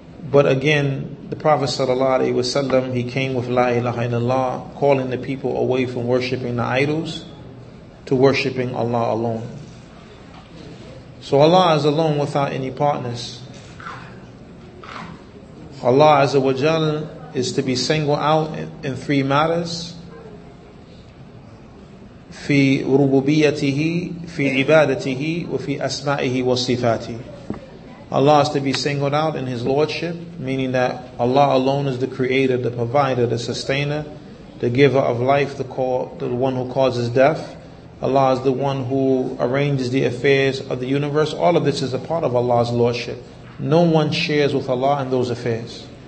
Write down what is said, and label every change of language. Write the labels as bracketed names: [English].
[English] But again, the Prophet sallallahu alaihi wasallam, he came with La ilaha illallah, calling the people away from worshipping the idols to worshipping Allah alone. So Allah is alone without any partners. Allah Azza wa Jal is to be singled out in three matters. [Arabic] في ربوبيته في عبادته وفي أسمائه وصفاته. [English] Allah is to be singled out in His Lordship, meaning that Allah alone is the creator, the provider, the sustainer, the giver of life, the one who causes death. Allah is the one who arranges the affairs of the universe. All of this is a part of Allah's Lordship. No one shares with Allah in those affairs.